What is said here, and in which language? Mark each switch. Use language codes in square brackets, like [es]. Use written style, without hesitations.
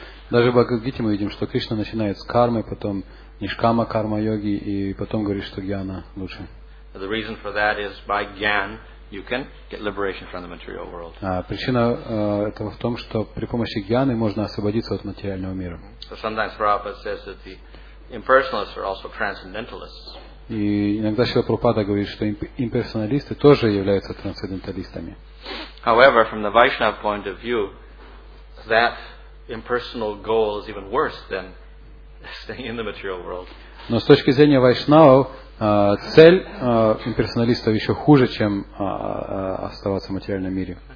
[ru] Даже в Бхагавад Гите мы видим, что Кришна начинает с кармы, потом нишкама карма йоги, и потом говорит, что гьяна лучше. [en] The reason for that is by gyan you can get liberation from the material world. [ru] Причина этого в том, что при помощи гьяны можно освободиться от материального мира. [en] So sometimes Prabhupada says that the impersonalists are also transcendentalists. [ru] И иногда Шрила Прабхупада говорит, что имперсоналисты тоже являются трансценденталистами. [en] However, from the Vaishnava point of view, that impersonal goal is even worse than staying in the material world. [ru] Но с точки зрения вайшнавов, цель имперсоналистов еще хуже, чем оставаться в материальном мире.